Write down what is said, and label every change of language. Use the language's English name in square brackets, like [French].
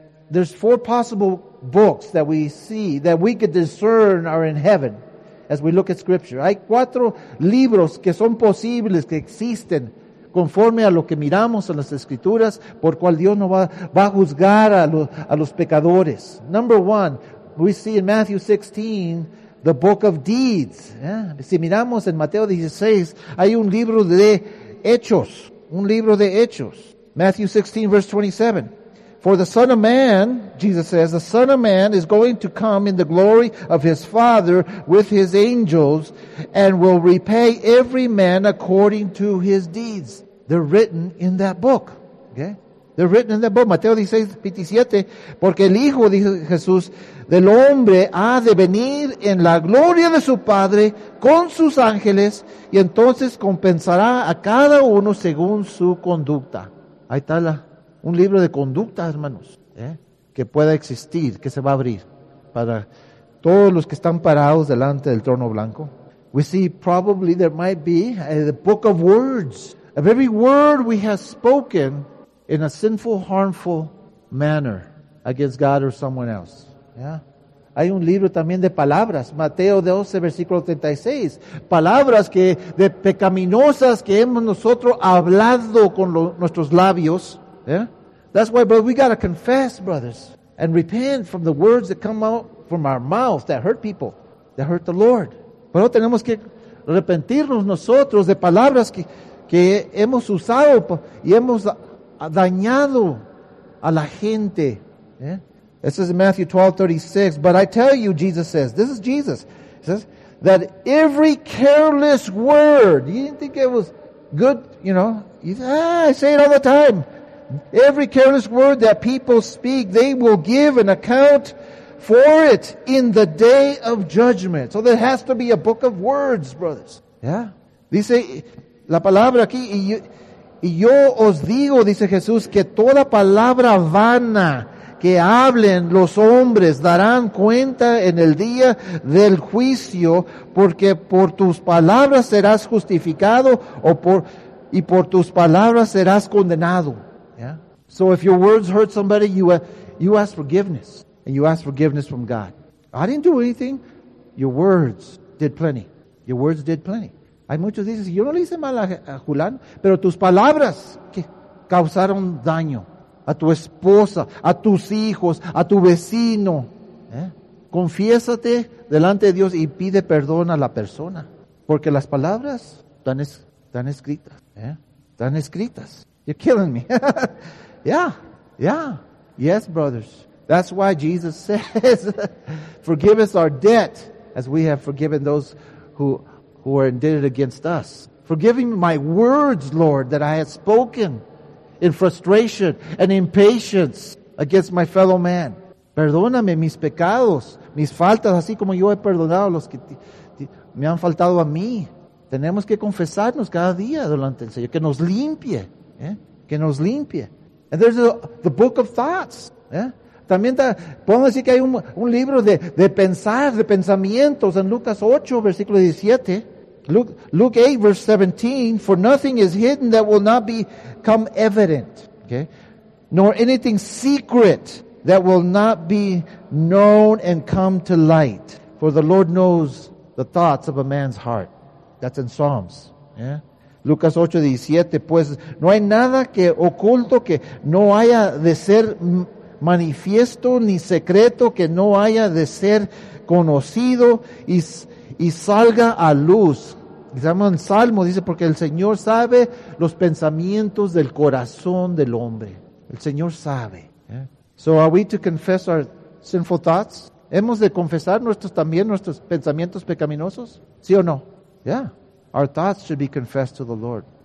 [English] There's four possible books that we see, that we could discern are in heaven. As we look at scripture, [Spanish] hay cuatro libros que son posibles, que existen conforme a lo que miramos en las escrituras, por cual Dios no va a juzgar a los pecadores. [English] Number one, we see in Matthew 16, the book of deeds. [Spanish] Si miramos en Mateo 16, hay un libro de hechos, un libro de hechos. [English] Matthew 16, verse 27. For the Son of Man, Jesus says, the Son of Man is going to come in the glory of His Father with His angels and will repay every man according to his deeds. They're written in that book. Okay? They're written in that book. [Spanish] Mateo 16:27, porque el Hijo, dijo Jesús, del hombre ha de venir en la gloria de su Padre con sus ángeles y entonces compensará a cada uno según su conducta. Ahí está la... Un libro de conducta, hermanos, que pueda existir, que se va a abrir para todos los que están parados delante del trono blanco. [English] We see probably there might be a book of words, of every word we have spoken in a sinful, harmful manner against God or someone else. Yeah. [Spanish] Hay un libro también de palabras, Mateo 12, versículo 36. Palabras que de pecaminosas que hemos nosotros hablado con nuestros labios. [English] Yeah, that's why, brother, we got to confess, brothers, and repent from the words that come out from our mouth that hurt people, that hurt the Lord. [Spanish] Pero tenemos que arrepentirnos nosotros de palabras que hemos usado y hemos dañado a la gente. [English] Yeah? This is in Matthew 12:36. But I tell you, Jesus says, this is Jesus, he says, that every careless word, you didn't think it was good, you know, you say, I say it all the time. Every careless word that people speak, they will give an account for it in the day of judgment. So there has to be a book of words, brothers. Yeah. [Spanish] Dice la palabra aquí, y yo os digo, dice Jesús, que toda palabra vana que hablen los hombres darán cuenta en el día del juicio, porque por tus palabras serás justificado y por tus palabras serás condenado. [English] Yeah. So if your words hurt somebody, you ask forgiveness. And you ask forgiveness from God. I didn't do anything. Your words did plenty. Your words did plenty. [Spanish] Hay muchos dicen, yo no le hice mal a Julán, pero tus palabras que causaron daño a tu esposa, a tus hijos, a tu vecino. [English] Yeah. [Spanish] Confiésate delante de Dios y pide perdón a la persona. Porque las palabras están escritas. [English] Yeah. [Spanish] Están escritas. [English] You're killing me. Yeah. Yeah. Yes, brothers. That's why Jesus says, forgive us our debt as we have forgiven those who are indebted against us. Forgive me my words, Lord, that I have spoken in frustration and impatience against my fellow man. [Spanish] Perdóname mis pecados, mis faltas, así como yo he perdonado los que me han faltado a mí. Tenemos que confesarnos cada día delante del Señor, que nos limpie. [English] Yeah? [Spanish] Que nos limpie. [English] And there's the book of thoughts. Yeah? [Spanish] También podemos decir que hay un libro de pensar, de pensamientos en Lucas 8, versículo 17. [English] Luke 8, verse 17. For nothing is hidden that will not become evident. Okay? Nor anything secret that will not be known and come to light. For the Lord knows the thoughts of a man's heart. That's in Psalms. Yeah? [Spanish] Lucas 8, 17, pues no hay nada que oculto que no haya de ser manifiesto, ni secreto que no haya de ser conocido y salga a luz. Estamos en Salmo, dice, porque el Señor sabe los pensamientos del corazón del hombre. El Señor sabe. [English] So are we to confess our sinful thoughts? [Spanish] ¿Hemos de confesar nuestros pensamientos pecaminosos? ¿Sí o no? [English] Yeah. Our thoughts should be confessed to the Lord.